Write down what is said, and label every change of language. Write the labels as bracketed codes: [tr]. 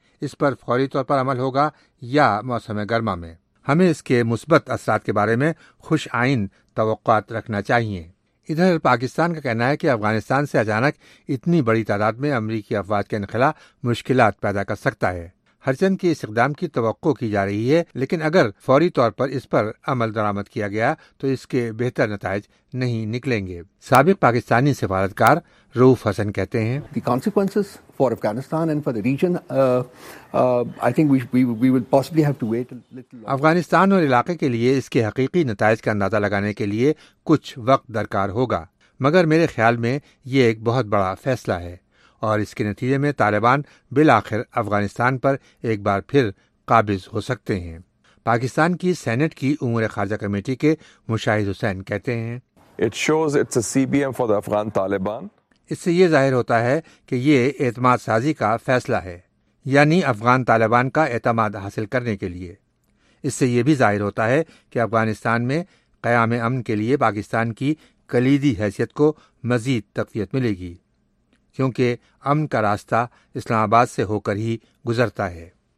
[ur] اس پر فوری طور پر عمل ہوگا یا موسم گرما میں۔ ہمیں اس کے مثبت اثرات کے بارے میں خوش آئند توقعات رکھنا چاہیے۔ ادھر پاکستان کا کہنا ہے کہ افغانستان سے اچانک اتنی بڑی تعداد میں امریکی افواج کے انخلا مشکلات پیدا کر سکتا ہے۔ ہرچند کہ اس اقدام کی توقع کی جا رہی ہے، لیکن اگر فوری طور پر اس پر عمل درآمد کیا گیا تو اس کے بہتر نتائج نہیں نکلیں گے۔ سابق پاکستانی سفارتکار روف حسن کہتے ہیں [en] The consequences for Afghanistan and for the region, I think we will possibly have to wait a little longer. [ur] Afghanistan اور علاقے کے لیے اس کے حقیقی نتائج کا اندازہ لگانے کے لیے کچھ وقت درکار ہوگا، مگر میرے خیال میں یہ ایک بہت بڑا فیصلہ ہے اور اس کے نتیجے میں طالبان بالآخر افغانستان پر ایک بار پھر قابض ہو سکتے ہیں۔ پاکستان کی سینٹ کی امور خارجہ کمیٹی کے مشاہد حسین کہتے ہیں [en] It shows it's a CBM for the Afghan Taliban. [ur] اس سے یہ ظاہر ہوتا ہے کہ یہ اعتماد سازی کا فیصلہ ہے، یعنی افغان طالبان کا اعتماد حاصل کرنے کے لیے۔ اس سے یہ بھی ظاہر ہوتا ہے کہ افغانستان میں قیام امن کے لیے پاکستان کی کلیدی حیثیت کو مزید تقویت ملے گی، کیونکہ امن کا راستہ اسلام آباد سے ہو کر ہی گزرتا ہے۔